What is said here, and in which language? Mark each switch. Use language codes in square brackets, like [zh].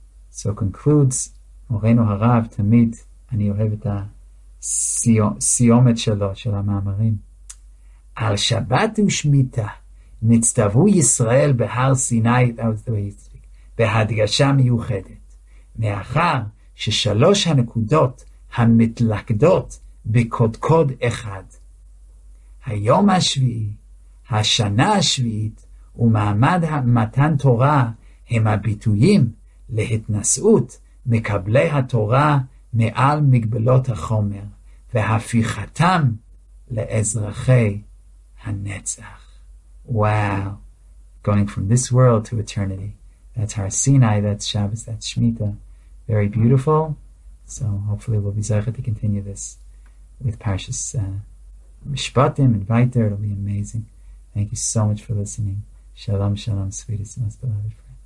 [en] So concludes Moreno Harav Tamid Ani Ohev Et HaSiyomet Shelo Shel HaMa'amarim. Al Shabbat U'Shemitah. Nitztavu Yisrael behar Sinai, that was the way he speak, [he] בהדגשה מיוחדת, מאחר ששלוש הנקודות המתלכדות בקודקוד אחד. היום השביעי, השנה השביעית, ומעמד מתן תורה הם הביטויים להתנשאות מקבלי התורה מעל מגבלות החומר, והפיכתם לאזרחי הנצח. [en] Wow. Going from this world to eternity. That's Har Sinai, that's Shabbos, that's Shemitah. Very beautiful. So hopefully we'll be zeichet to continue this with Parshas Mishpatim and Vayter. It'll be amazing. Thank you so much for listening. Shalom, shalom, sweetest, most beloved friends.